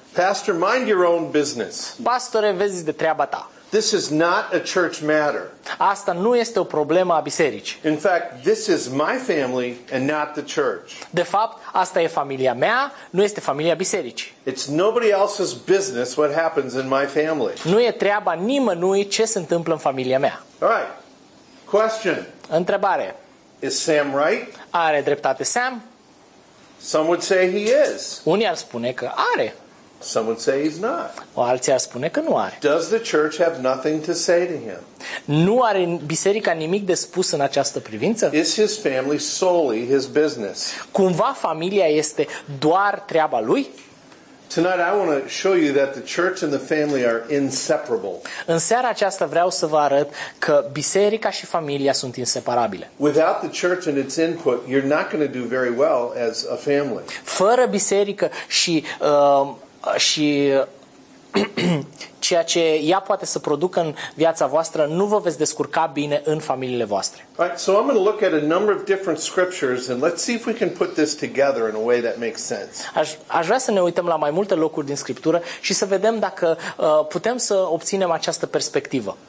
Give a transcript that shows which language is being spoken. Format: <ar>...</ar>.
<en>Pastor, mind your own business.</en> <ro>Pastore, vezi de treaba ta.</ro> <en>This is not a church matter.</en> <ro>Asta nu este o problemă a bisericii.</ro> <en>In fact, this is my family and not the church.</en> <ro>De fapt, asta e familia mea, nu este familia bisericii.</ro> <en>It's nobody else's business what happens in my family.</en> <ro>Nu e treaba nimănui ce se întâmplă în familia mea.</ro> <en>All right. Question.</en> <ro>Întrebare.</ro> <en>Is Sam right?</en> <ro>Are dreptate Sam?</ro> <en>Some would say he is.</en> <ro>Unii ar spune că are.</ro> <en>Some would say he's not.</en> <ro>O alții ar spune că nu are.</ro> <en>Does the church have nothing to say to him?</en> <ro>Nu are biserica nimic de spus în această privință?</ro> <en>Is his family solely his business?</en> <ro>Cumva familia este doar treaba lui?</ro> <en>Tonight I want to show you that the church and the family are inseparable.</en> <ro>În seara aceasta vreau să vă arăt că biserica și familia sunt inseparabile.</ro> <en>Without the church and its input, you're not going to do very well as a family.</en> <ro>Fără biserică și și ceea ce ea poate să producă în viața voastră, nu vă veți descurca bine în familiile voastre.</ro> <en>Right, so I'm going to look at a number of different scriptures and let's see if we can put this together in a way that makes sense.</en> <ro>Aș vrea să ne uităm la mai multe locuri din scriptură și să vedem dacă putem să obținem această perspectivă.</ro>